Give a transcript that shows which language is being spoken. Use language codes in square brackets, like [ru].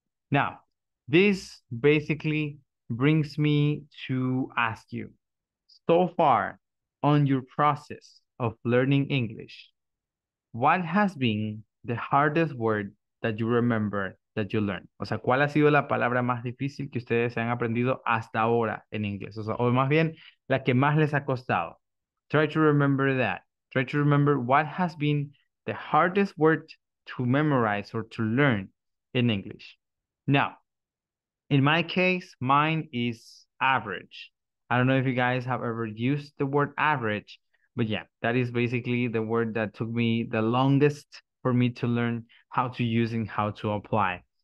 [en] Now, this basically brings me to ask you, so far on your process of learning English, what has been the hardest word that you remember that you learned? [es] O sea, ¿cuál ha sido la palabra más difícil que ustedes han aprendido hasta ahora en inglés? O sea, o más bien, la que más les ha costado. [en] Try to remember that. Try to remember what has been the hardest word to memorize or to learn in English. Now, in my case, mine is average. I don't know if you guys have ever used the word average, but yeah, that is basically the word that took me the longest for me to learn how to use and how to apply.